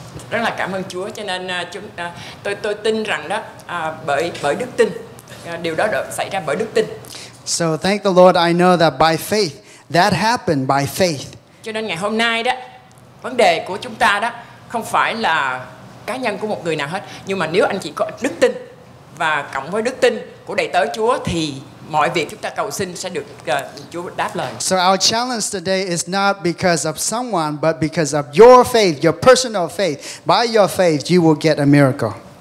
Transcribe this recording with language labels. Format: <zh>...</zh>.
<vi>Rất là cảm ơn Chúa, cho nên tôi tin rằng đó bởi đức tin, điều đó được xảy ra bởi đức tin.</vi> <en>So thank the Lord, I know that by faith, that happened by faith.</en> <vi>Cho nên ngày hôm nay đó, vấn đề của chúng ta đó không phải là cá nhân của một người nào hết, nhưng mà nếu anh chị có đức tin và cộng với đức tin của đầy tớ Chúa thì mọi việc chúng ta cầu xin sẽ được Chúa đáp lời.</vi> <en>So our challenge today is not because of someone, but because of your faith, your personal faith. By your faith, you will get a miracle.</en>